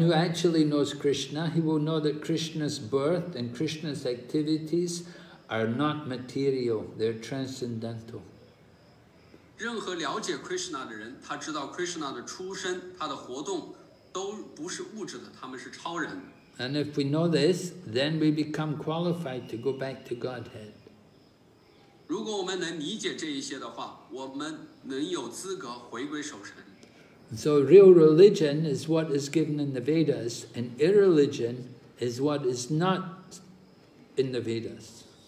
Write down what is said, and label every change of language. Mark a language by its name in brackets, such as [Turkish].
[English] who actually knows Krishna, he will know that Krishna's birth and Krishna's activities are not material, they're transcendental. [Chinese] 任何了解Krishna的人，他知道Krishna的出身，他的活动都不是物质的，他们是超人。 [English] And if we know this, then we become qualified to go back to Godhead. [Chinese] 如果我们能理解这一些的话，我们能有资格回归守神。 [English] So real religion is what is given in the Vedas, and irreligion is what is not in the Vedas.